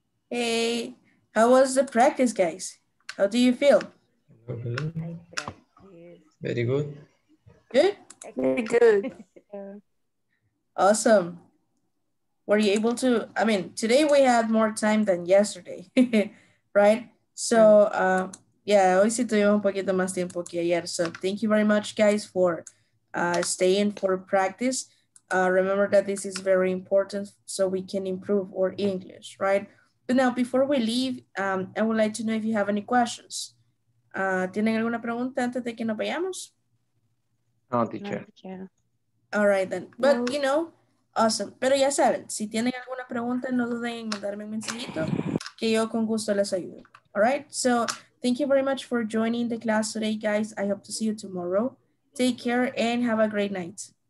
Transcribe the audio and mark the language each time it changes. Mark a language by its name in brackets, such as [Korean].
[English] Hey, how was the practice, guys? How do you feel? Hello. Very good. Good? Very good. Awesome. Were you able to, I mean, today we had more time than yesterday, right? [Spanish] So, hoy sí tuvimos un poquito más tiempo que ayer. [English] So, thank you very much, guys, for staying for practice. Remember that this is very important so we can improve our English, right? But now, before we leave, I would like to know if you have any questions. [Spanish] ¿Tienen alguna pregunta antes de que nos vayamos? [English] No, teacher. All right, then. But, you know, awesome. [Spanish] Pero ya saben, si tienen alguna pregunta, no duden en mandarme un mensajito, que yo con gusto les ayudo. [English] All right? So, thank you very much for joining the class today, guys. I hope to see you tomorrow. Take care and have a great night.